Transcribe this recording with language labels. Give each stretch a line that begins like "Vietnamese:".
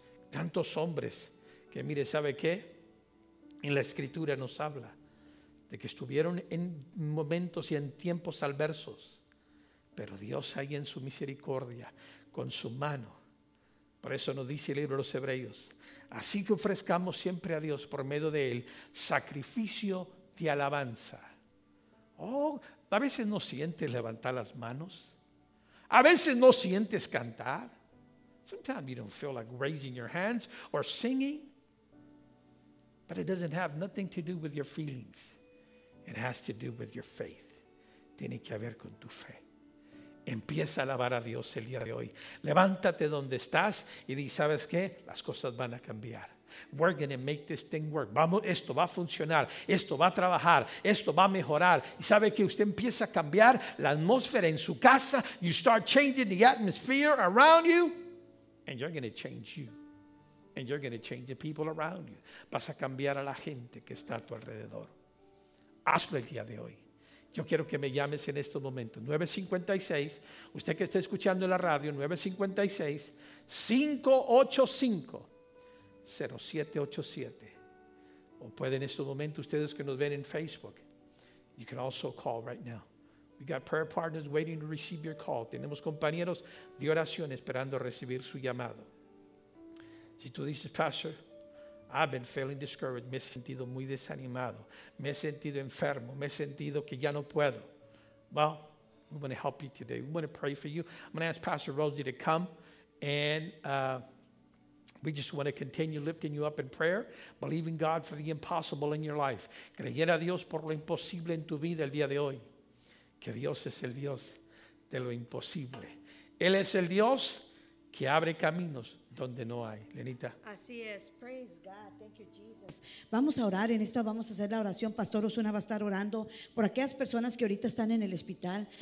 Spanish: Tantos hombres que, mire, ¿sabe qué? En la escritura nos habla de que estuvieron en momentos y en tiempos adversos, pero Dios ahí en su misericordia, con su mano. Por eso nos dice el libro de los Hebreos: así que ofrezcamos siempre a Dios por medio de Él sacrificio de alabanza. Oh, a veces no sientes levantar las manos. A veces no sientes cantar.
English: Sometimes you don't feel like raising your hands or singing. But it doesn't have nothing to do with your feelings. It has to do with your faith.
Spanish: Tiene que ver con tu fe. Empieza a alabar a Dios el día de hoy. Levántate donde estás y di: ¿sabes qué? Las cosas van a cambiar.
English: We're going to make this thing work.
Spanish: Vamos, esto va a funcionar, esto va a trabajar, esto va a mejorar. Y sabe que usted empieza a cambiar la atmósfera en su casa.
English: You start changing the atmosphere around you, and you're going to change you, and you're going to change the people around you.
Spanish: Vas a cambiar a la gente que está a tu alrededor. Hazlo el día de hoy. Yo quiero que me llames en estos momentos, 956, usted que está escuchando en la radio, 956-585-0787. O puede en estos momentos, ustedes que nos ven en Facebook,
English: you can also call right now. We got prayer partners waiting to receive your call.
Spanish: Tenemos compañeros de oración esperando recibir su llamado. Si tú dices: Pastor,
English: I've been feeling discouraged.
Spanish: Me he sentido muy desanimado. Me he sentido enfermo. Me he sentido que ya no puedo.
English: Well, we want to help you today. We want to pray for you. I'm going to ask Pastor Rosie to come. And we just want to continue lifting you up in prayer. Believe in God for the impossible in your life.
Spanish: Creer a Dios por lo imposible en tu vida el día de hoy. Que Dios es el Dios de lo imposible. Él es el Dios que abre caminos donde no hay. Lenita. Así es.
English: Praise God. Thank you, Jesus.
Spanish: Vamos a orar. En esta vamos a hacer la oración. Pastor Osuna va a estar orando por aquellas personas que ahorita están en el hospital.